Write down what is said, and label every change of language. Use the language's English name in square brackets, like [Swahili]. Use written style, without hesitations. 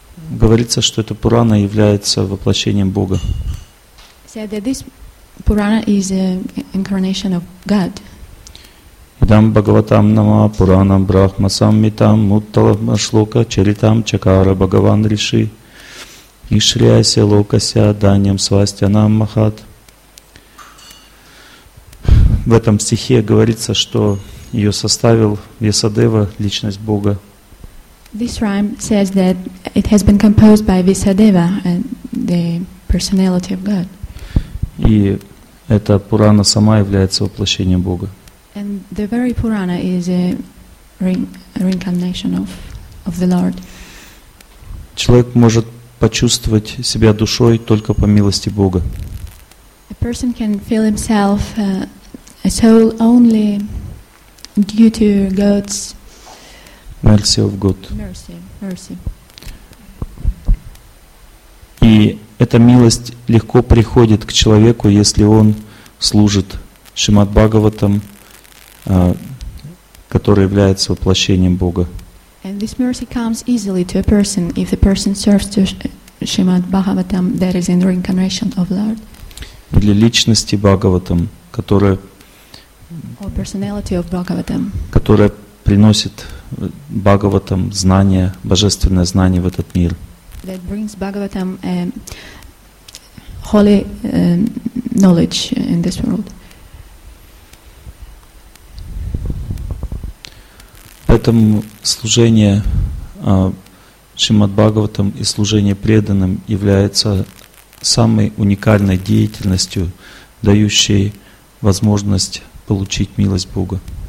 [Russian] Говорится, что эта Пурана является воплощением Бога. [English] Said that this Purana is an incarnation of God. [Sanskrit] Идам Бхагаватам Нама Пуранам Брахма Саммитам Муттала Шлока Чаритам Чакара Бхагаван Риши Ишриаси Локася Даньям Свастянам Махат. [Russian] В этом стихе говорится, что ее составил Весадева, Личность Бога. [English] This rhyme says that it has been composed by Visadeva, the personality of God. [Russian] И эта Пурана сама является воплощением Бога. [English] And the very Purana is a reincarnation of the Lord. [Russian] Человек может почувствовать себя душой только по милости Бога. [English] A person can feel himself a soul only due to God's mercy of God. Mercy. [Russian] И эта милость легко приходит к человеку, если он служит Шримад Бхагаватам, который является воплощением Бога. [English] And this mercy comes easily to a person if the person serves to Shrimad Bhagavatam, that is in the reincarnation of Lord. [Russian] Или личности Бхагаватам, которая [English] or personality of Bhagavatam, [Russian] которая приносит Бхагаватам знание, божественное знание в этот мир. [English] That brings Bhagavatam holy knowledge in this world. [Russian] Поэтому служение Шримад Бхагаватам и служение преданным является самой уникальной деятельностью, дающей возможность получить милость Бога.